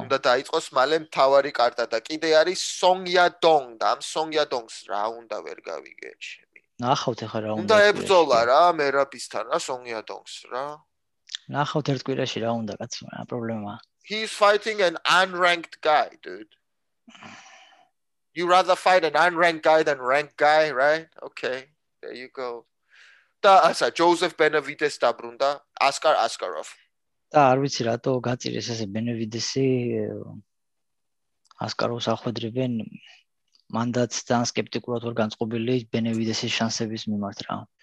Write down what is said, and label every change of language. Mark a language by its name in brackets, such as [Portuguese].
[Georgian] უნდა დაიწყოს მალე მთავარი კარტა და კიდე არის სონგია დონგ და ამ სონგია დონგს რა უნდა ვერ გავიგე ჩემი. ნახავთ ახლა რა უნდა ებრძოლა რა მერაბისთან რა სონგია დონგს რა. ნახავთ ერთ კვირაში რა უნდა კაცო რა პრობლემა. [English] He is fighting an unranked guy, dude. You rather fight an unranked guy than ranked guy, right? Okay. There you go. [Georgian] და ასა ჯოზეფ ბენევიდესი დაბრუნდა ასკარ ასკაროვ და არ ვიცი რატო გაწირეს ესე ბენევიდესი ასკაროვს ახვედრებენ მანდაც ძალიან სკეპტიკურად ვარ განწყობილი ბენევიდესის შანსების მიმართ რა.